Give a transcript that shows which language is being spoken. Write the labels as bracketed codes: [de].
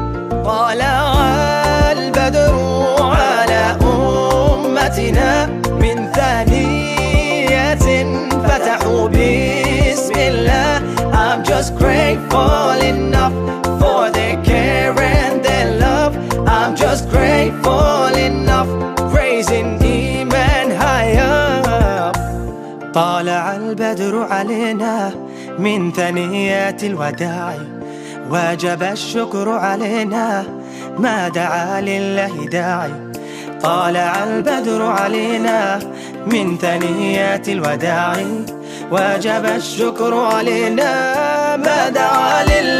[ar] طال البدر على أمتنا من ثانية فتحوا بسم الله. [en] I'm just grateful enough for their care and their love. I'm just grateful enough, praising إيمان high up. [ar] طالع البدر علينا من ثنيات الوداع. وجب الشكر علينا ما دعا لله داعي. طالع البدر علينا من ثنيات الوداع، وجب الشكر علينا ما دعا لنا.